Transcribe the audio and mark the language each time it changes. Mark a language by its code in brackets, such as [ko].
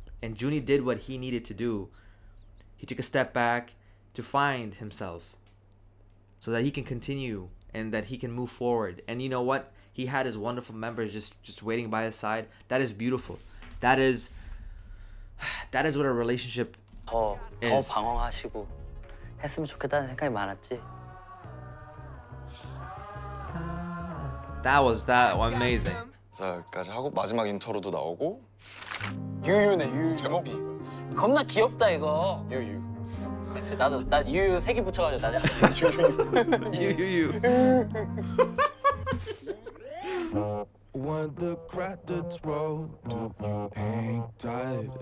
[en] And Junie did what he needed to do. He took a step back to find himself so that he can continue and that he can move forward. And you know what? He had his wonderful members just waiting by his side. That is beautiful. That is what a relationship [ko] 더 방황하시고 했으면 좋겠다는 생각이 많았지. [en] That was amazing. [ko] 자,까지 하고 마지막 인터로도 나오고 유유네, 유유. 제목이 이거. 겁나 귀엽다 이거. 유유. 나도 나 유유 세 개 붙여가지고 나 유유유 [en] When the credits roll, do you ain't tired?